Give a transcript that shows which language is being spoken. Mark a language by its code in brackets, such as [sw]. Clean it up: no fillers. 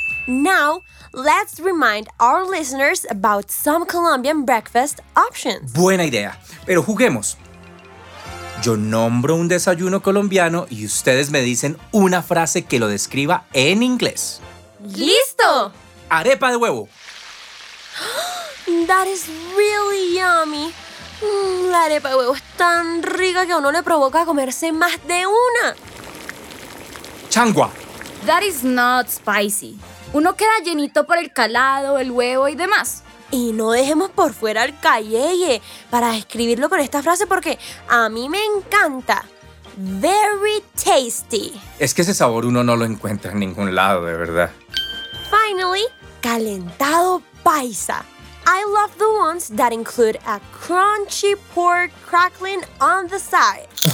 [en] Now, let's remind our listeners about some Colombian breakfast options. [es] Buena idea, pero juguemos. Yo nombro un desayuno colombiano y ustedes me dicen una frase que lo describa en inglés. ¡Listo! Arepa de huevo. [en] That is really yummy. [es] La arepa de huevo es tan rica que a uno le provoca comerse más de una. Changua. [en] That is not spicy. [es] Uno queda llenito por el calado, el huevo y demás. Y no dejemos por fuera el calleye para describirlo con esta frase porque a mí me encanta. [en] Very tasty. [es] Es que ese sabor uno no lo encuentra en ningún lado, de verdad. [en] Finally, calentado paisa. I love the ones that include a crunchy pork crackling on the side.